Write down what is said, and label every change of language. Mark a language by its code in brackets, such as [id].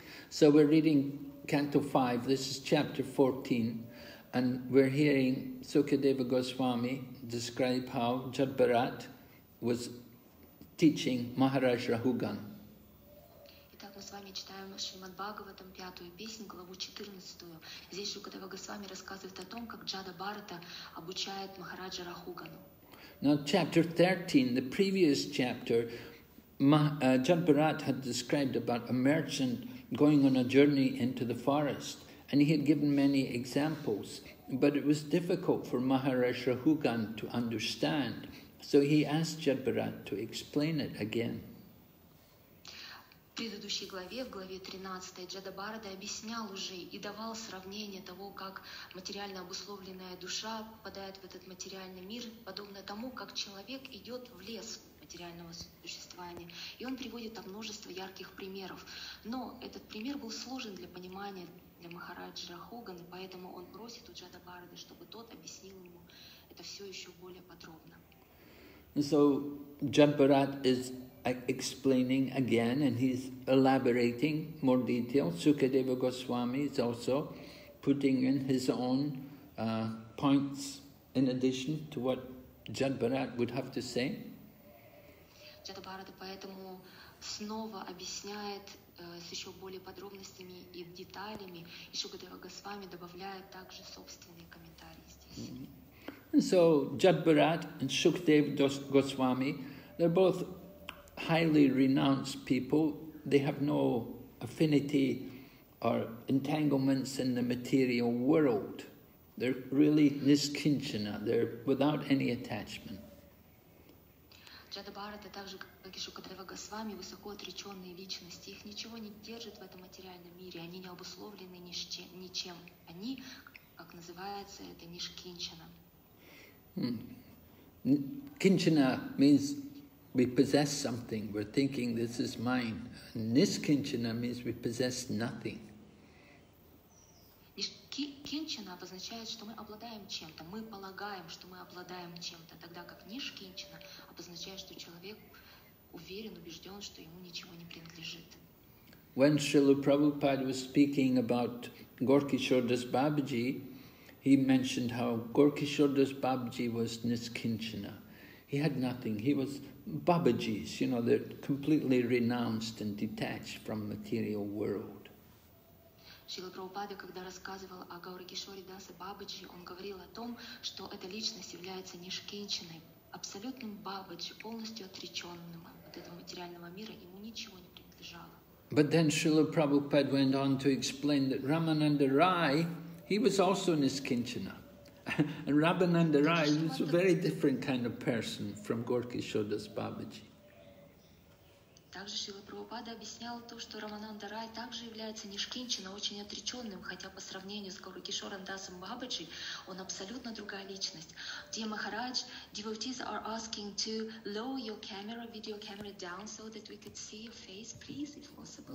[en] So we're reading Canto 5, this is chapter 14, and we're hearing Sukadeva Goswami describe how Jadbharat was teaching Maharaj Rahugan. [ru] Итак, мы с вами читаем Шримад-Бхагаватам, пятую песню, главу 14. Здесь Сукадева Госвами рассказывает о том, как Джада-Бхарата обучает Махараджа Рахугану. [en] Now, chapter 13, the previous chapter, Jadbharat had described about a merchant going on a journey into the forest, and he had given many examples, but it was difficult for Maharaj Rahugan to understand, so he asked Jadbharat to explain it again. [ru] В предыдущей главе, в главе 13, Джада Барада объяснял уже и давал сравнение того, как материально обусловленная душа попадает в этот материальный мир, подобно тому, как человек идет в лес материального существования. И он приводит там множество ярких примеров. Но этот пример был сложен для понимания для Махараджи Рахугана, поэтому он просит у Джада Барады, чтобы тот объяснил ему это все еще более подробно. [en] So, Jabbarat is explaining again, and he's elaborating more detail. Sukadeva Goswami is also putting in his own points in addition to what Jadbharat would have to say. [ru] Jadbharat поэтому снова объясняет с еще более подробностями и деталями, и Sukadeva Goswami добавляет также собственные комментарии здесь. [en] And so Jadbharat and Sukadeva Goswami, they're both highly renounced people. They have no affinity or entanglements in the material world. They're really niskinchana. They're without any attachment. [ru] Джада Бхарата, также как и Шукадева Госвами, высоко отреченные личности. Их ничего не держит в этом материальном мире. Они не обусловлены ничем. Они, как называется, это нишкинчана. [en] Кинчана means we possess something, we're thinking this is mine. Niskinchana means we possess nothing. [ru] Кинчана обозначает, что мы обладаем чем-то, мы полагаем, что мы обладаем чем-то, тогда как нишкинчана обозначает, что человек уверен, убежден, что ему ничего не принадлежит. [en] When Srila Prabhupada was speaking about Gaurakishore Das Babaji, he mentioned how Gaurakishore Das Babaji was niskinchana. He had nothing. He was Babaji's, you know, they're completely renounced and detached from material world. [ru] Шрила Прабхупада, когда рассказывал о Гаурикишоре Дасе Бабаджи, он говорил о том, что эта личность является нишкинчаной, абсолютным Бабаджи, полностью отреченным от этого материального мира, ему ничего не принадлежало. [en] But then Шрила Прабхупада went on to explain that Рамананда Рай, he was also nishkinchana. And Рамананда Рай was a very different kind of person from Gaurakishore Das Babaji. [ru] Также Шрила Прабхупада объяснял то, что Рамананда Рай также является нишкинчана, очень отреченным, хотя по сравнению с Гаурикишором Дасом Бабаджи, он абсолютно другая личность. [en] Dear Maharaj, devotees are asking to lower your camera, video camera down so that we could see your face, please, if possible.